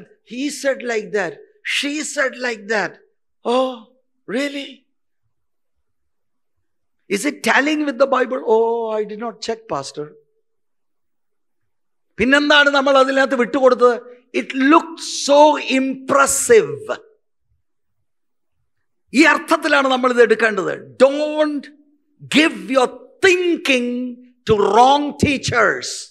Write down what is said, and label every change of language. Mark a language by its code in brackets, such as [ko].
[en] He said like that, she said like that. Oh, really? Is it tallying with the Bible? Oh, I did not check, pastor. [ml] പിന്നെന്താണ് നമ്മൾ അതിനകത്ത് വിട്ടുകൊടുത്തത്? [en] It looked so impressive. [ml] ഈ അർത്ഥത്തിലാണ് നമ്മൾ ഇത് എടുക്കേണ്ടത്. [en] Don't give your thinking to wrong teachers.